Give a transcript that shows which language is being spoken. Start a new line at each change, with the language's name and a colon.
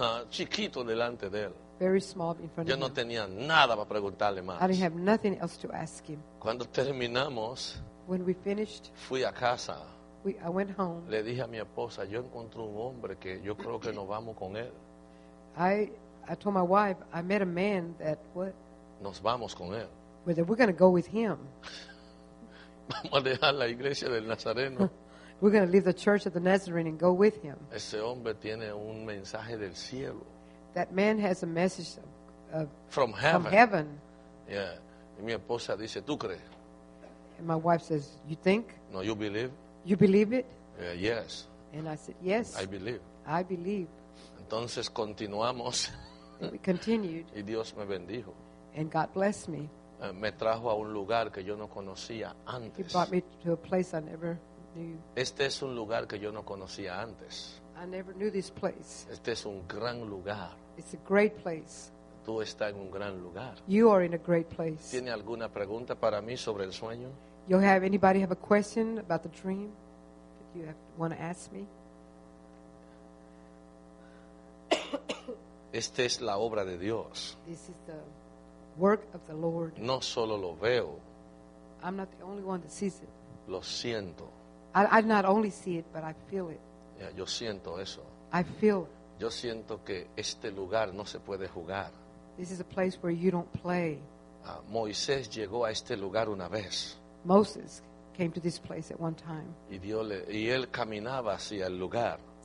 Spanish: Chiquito delante de él.
English: Very small in front
Spanish: Yo
English: of
Spanish: no
English: him.
Spanish: Tenía nada para preguntarle más.
English: I didn't have nothing else to ask him.
Spanish: Cuando terminamos,
English: when we finished,
Spanish: fui a casa.
English: I went home.
Spanish: Le dije a mi esposa, yo encontré un hombre que yo creo que nos vamos con él.
English: I told my wife, I met a man that what?
Spanish: Nos vamos con él.
English: Whether we're going to go with him.
Spanish: Vamos a dejar la iglesia del Nazareno.
English: We're going to leave the church of the Nazarene and go with him.
Spanish: Ese hombre tiene un mensaje del cielo.
English: That man has a message of from heaven. From heaven.
Spanish: Yeah. Y mi esposa dice, ¿tú crees?
English: And my wife says, you think? No, you believe. You believe it? Yeah, yes. And I said, yes. I believe. I believe.
Spanish: Entonces continuamos.
English: We continued.
Spanish: Y Dios me bendijo.
English: And God blessed me.
Spanish: Me trajo a un lugar que yo no conocía antes.
English: He brought me to a place I never knew.
Spanish: Este es un lugar que yo no conocía antes.
English: I never knew this place.
Spanish: Este es un gran lugar.
English: It's a great place.
Spanish: Tú estás en un gran lugar.
English: You are in a great place.
Spanish: ¿Tiene alguna pregunta para mí sobre el sueño?
English: You have anybody have a question about the dream that you want to ask me?
Spanish: Este es la obra de Dios.
English: This is the work of the Lord.
Spanish: No solo lo veo.
English: I'm not the only one that sees it.
Spanish: Lo siento.
English: I not only see it, but I feel it.
Spanish: Yeah, yo siento eso.
English: I feel.
Spanish: Yo siento que este lugar no se puede jugar.
English: This is a place where you don't play.
Spanish: Moisés llegó a este lugar una vez.
English: Moses came to this place at one time.
Spanish: Y Dios le, y él caminaba hacia el lugar.